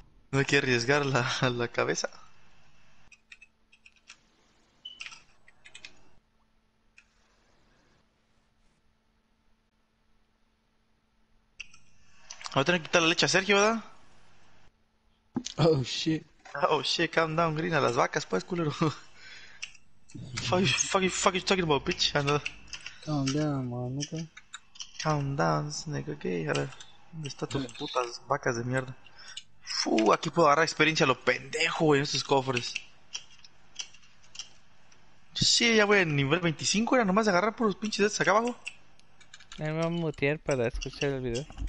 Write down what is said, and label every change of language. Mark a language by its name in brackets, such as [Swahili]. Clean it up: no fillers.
[Spanish] No hay que arriesgar la cabeza. Voy a tener que quitar la leche a Sergio, ¿verdad? [English] Shit. Calm down, Green. [Spanish] A las vacas, pues, culero. [English] Fuck you talking about, bitch. Calm down, manito. Calm down, snake, okay. [Spanish] A ver, ¿dónde están tus putas vacas de mierda? Fu, aquí puedo agarrar experiencia a lo pendejo en estos cofres. Sí, ya voy a nivel 25, era nomás de agarrar por los pinches de acá abajo. Me voy a mutear para escuchar el video.